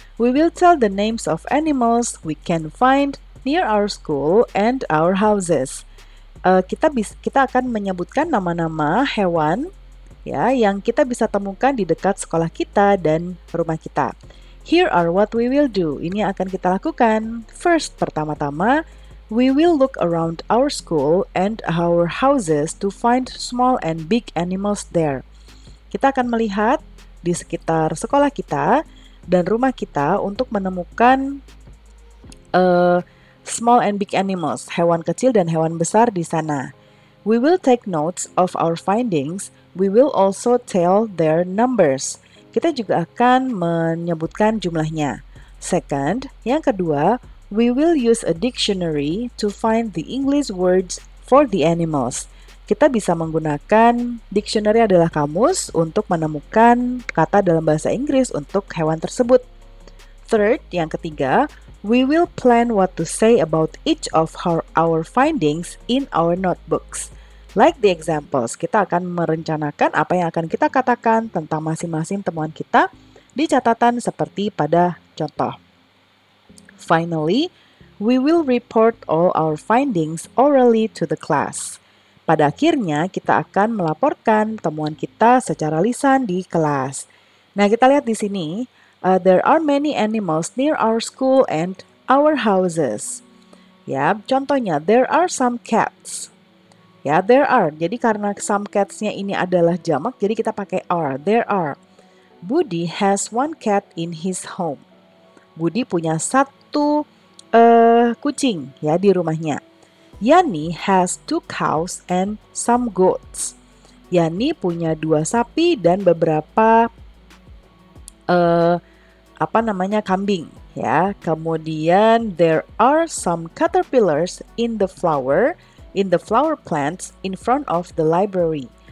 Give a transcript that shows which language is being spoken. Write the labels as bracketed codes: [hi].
[en] We will tell the names of animals we can find near our school and our houses. [id] Kita akan menyebutkan nama-nama hewan ya yang kita bisa temukan di dekat sekolah kita dan rumah kita. [en] Here are what we will do. [id] Ini yang akan kita lakukan. [en] First, [id] pertama-tama, [en] we will look around our school and our houses to find small and big animals there. [id] Kita akan melihat di sekitar sekolah kita dan rumah kita untuk menemukan [en] small and big animals, [id] hewan kecil dan hewan besar di sana. [en] We will take notes of our findings. We will also tell their numbers. [id] Kita juga akan menyebutkan jumlahnya. [en] Second, [id] yang kedua, [en] we will use a dictionary to find the English words for the animals. [id] Kita bisa menggunakan dictionary adalah kamus untuk menemukan kata dalam bahasa Inggris untuk hewan tersebut. [en] Third, yang ketiga, we will plan what to say about each of our findings in our notebooks. Like the examples, [id] kita akan merencanakan apa yang akan kita katakan tentang masing-masing temuan kita di catatan seperti pada contoh. [en] Finally, we will report all our findings orally to the class. [id] Pada akhirnya, kita akan melaporkan temuan kita secara lisan di kelas. Nah, kita lihat di sini, [en] there are many animals near our school and our houses. [id] Ya, contohnya, [en] there are some cats. Ya, there are. [id] Jadi, karena some cats-nya ini adalah jamak, jadi kita pakai are. [en] There are. Budi has one cat in his home. [id] Budi punya satu kucing ya di rumahnya. [en] Yani has two cows and some goats. [id] Yani punya dua sapi dan beberapa kambing ya. Kemudian [en] there are some caterpillars in the flower plants in front of the library.